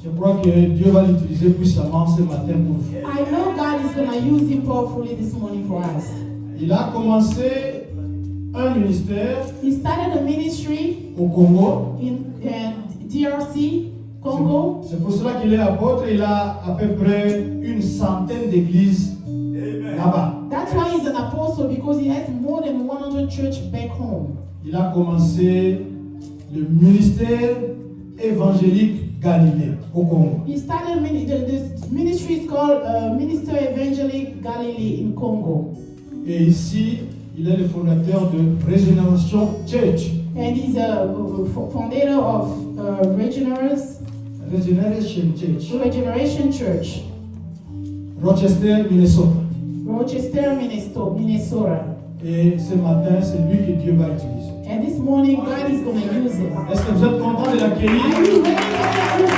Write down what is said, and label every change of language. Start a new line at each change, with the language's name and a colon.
French: Je crois que Dieu va l'utiliser puissamment ce matin pour vous.
English: I know God is going to use him powerfully this morning for us.
French: Il a commencé un ministère.
English: He started a ministry
French: au Congo.
English: In DRC, Congo.
French: C'est pour cela qu'il est apôtre. Il a à peu près une centaine d'églises. Amen. Là-bas.
English: That's why he's an apostle, because he has more than 100 church back home.
French: Il a commencé le ministère évangélique galiléen au Congo.
English: He started the ministry is called Minister Evangelique Galilee in Congo.
French: Et ici, il est le fondateur de Regeneration Church.
English: And he's a fondateur of Regeneration Church. Regeneration Church. Rochester, Minnesota. Rochester, Minnesota.
French: Et ce matin, c'est lui que Dieu va utiliser.
English: And this morning, God is going to use him.
French: Est-ce que vous êtes content de l'accueillir?